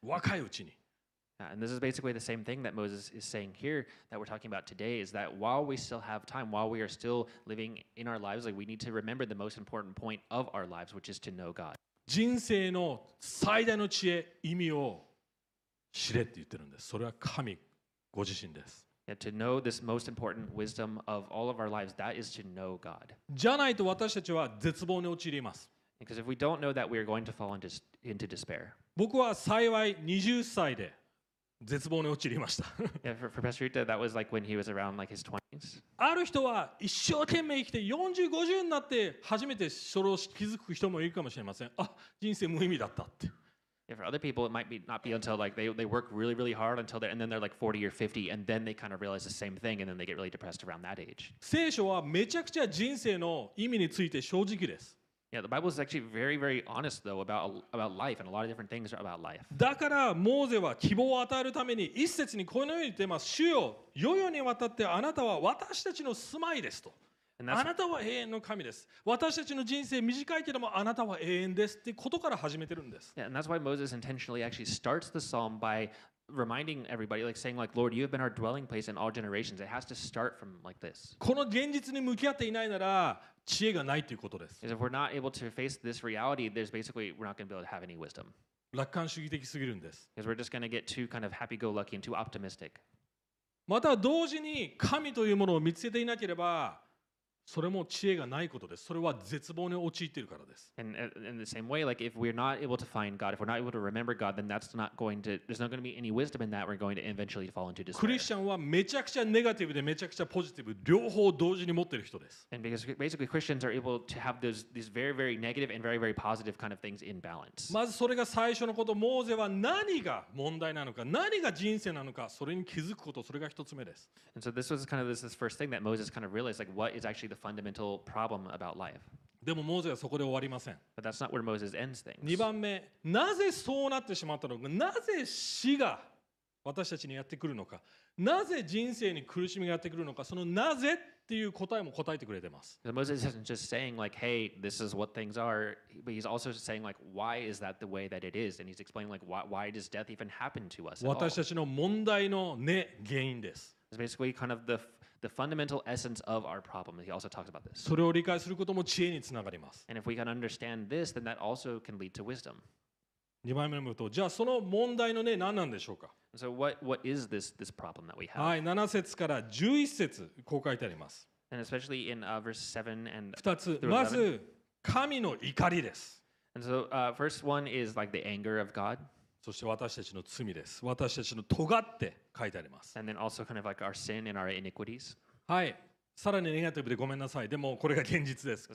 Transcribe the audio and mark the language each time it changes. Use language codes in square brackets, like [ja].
[ja] 若いうちに。 [en] And this is basically the same thing that Moses is saying here that we're talking about today is that while we still have time, while we are still living in our lives, like we need to remember the most important point of our lives, which is to know God. [ja] 人生の最大の知恵、意味を知れって言ってるんです。それは神ご自身です。 [en] Yeah, to know this most important wisdom of all of our lives, that is to know God. [ja] じゃないと私たちは絶望に陥ります。 [en] Because if we don't know that, we are going to fall into despair. [ja] 僕は幸い20歳で絶望に陥りました。 [en] Yeah, for Pastor Rita, that was like when he was around like his 20s. [ja] ある人は一生懸命生きて40、50になって初めてそれを気づく人もいるかもしれません。あ、人生無意味だったって。 [en] Yeah, for other people, it might be not be until like they work really, really hard until they're, and then they're like 40 or 50, and then they kind of realize the same thing, and then they get really depressed around that age. [ja] 聖書はめちゃくちゃ人生の意味について正直です。 [en] Yeah, the Bible is actually very, very honest, though, about life and a lot of different things about life. [ja] だからモーゼは希望を与えるために一節にこのように言っています。主よ、世々にわたってあなたは私たちの住まいですと。あなたは永遠の神です。私たちの人生短いけどもあなたは永遠ですってことから始めてるんです。 [en] Yeah, and that's why Moses intentionally actually starts the psalm by reminding everybody, like saying, like, Lord, you have been our dwelling place in all generations. It has to start from like this. [ja] この現実に向き合っていないなら知恵がないということです。 [en] If we're not able to face this reality, there's basically we're not going to be able to have any wisdom. [ja] 楽観主義的すぎるんです。 [en] Because we're just going to get too kind of happy-go-lucky and too optimistic. [ja] また同時に神というものを見つけていなければ、それも知恵がないことです。それは絶望に陥っているからです。 [en] In the same way, like if we're not able to find God, if we're not able to remember God, then that's not going to, there's not going to be any wisdom in that. We're going to eventually fall into despair. [ja] クリスチャンはめちゃくちゃネガティブでめちゃくちゃポジティブ両方同時に持っている人です。 [en] And because basically Christians are able to have these very very negative and very very positive kind of things in balance. [ja] まずそれが最初のこと。モーゼは何が問題なのか、何が人生なのか、それに気づくこと、それが一つ目です。 [en] And so this was kind of this first thing that Moses kind of realized, like what is actually theFundamental problem about life. [ja] でもモーゼはそこで終わりません。 [en] But that's not where Moses ends things. [ja] 2番目、なぜそうなってしまったのか、なぜ死が私たちにやってくるのか、なぜ人生に苦しみがやってくるのか、そのなぜっていう答えも答えてくれてます。 [en] So、Moses isn't just saying like, hey, this is what things are, but he's also saying like, why is that the way that it is? And he's explaining like, why does death even happen to us? At all? [ja] 私たちの問題の根原因です。 [en] It's basically kind of the fundamental essence of our problem. He also talks about this. [ja] それを理解することも知恵につながります。 [en] And if we can understand this, then that also can lead to wisdom. [ja] 2番目のことを、じゃあその問題の根何なんでしょうか。 [en] So what is this problem that we have? [ja] はい、7節から11節、こう書いてあります。 [en] And especially in verse 7 and [ja] 2つ、まず神の怒りです。 [en] And so first one is like the anger of God. [ja] そして私たちの罪です。私たちの尖って書いてあります。 [en] And then also kind of like our sin and our iniquities. [ja] はい。さらにネガティブでごめんなさい。でもこれが現実です。